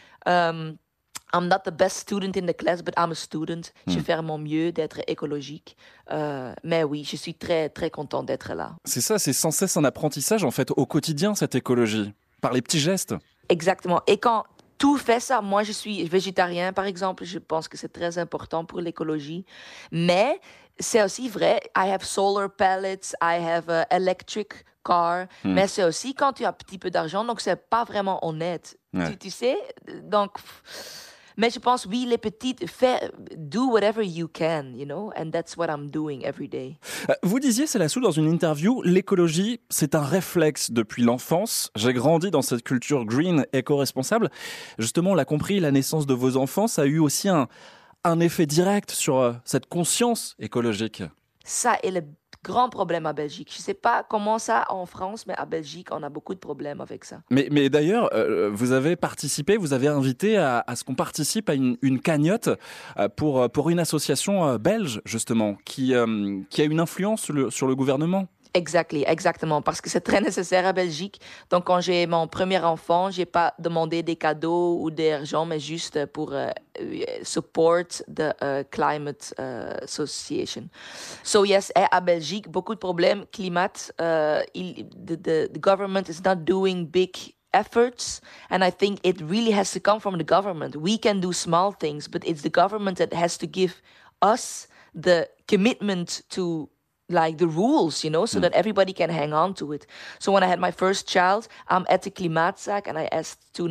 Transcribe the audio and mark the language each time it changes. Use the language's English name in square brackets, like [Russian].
[English] I'm not the best student in the class, but I'm a student. [French] Je fais mon mieux d'être écologique. Mais oui, je suis très, très contente d'être là. C'est ça, c'est sans cesse un apprentissage en fait au quotidien, cette écologie, par les petits gestes. Exactement. Et quand tout fait ça, moi je suis végétarien, par exemple, je pense que c'est très important pour l'écologie. Mais c'est aussi vrai, [English] I have solar pellets, I have electric car. [French] Mais c'est aussi quand tu as un petit peu d'argent, donc c'est pas vraiment honnête. Tu sais, donc, mais je pense, oui, les petites, [English] do whatever you can, you know, and that's what I'm doing every day. [French] Vous disiez, Célassou, dans une interview, l'écologie, c'est un réflexe depuis l'enfance. J'ai grandi dans cette culture green, éco-responsable. Justement, on l'a compris, la naissance de vos enfants, ça a eu aussi un effet direct sur cette conscience écologique. Ça est le grand problème à Belgique. Je ne sais pas comment ça en France, mais à Belgique, on a beaucoup de problèmes avec ça. Mais d'ailleurs, vous avez participé, vous avez invité à ce qu'on participe à une cagnotte pour une association belge, justement, qui a une influence sur le gouvernement. Exactement, parce que c'est très nécessaire à Belgique. Donc, quand j'ai mon premier enfant, je n'ai pas demandé des cadeaux ou d'argent, mais juste pour [English] support the Climate Association. So, yes, [French] à Belgique, beaucoup de problèmes climat. [English] The government is not doing big efforts, and I think it really has to come from the government. We can do small things, but it's the government that has to give us the commitment to. Like the rules, you know, so that everybody can hang on to it. So when I had my first child, I'm at the Klimaatzaak and I asked to not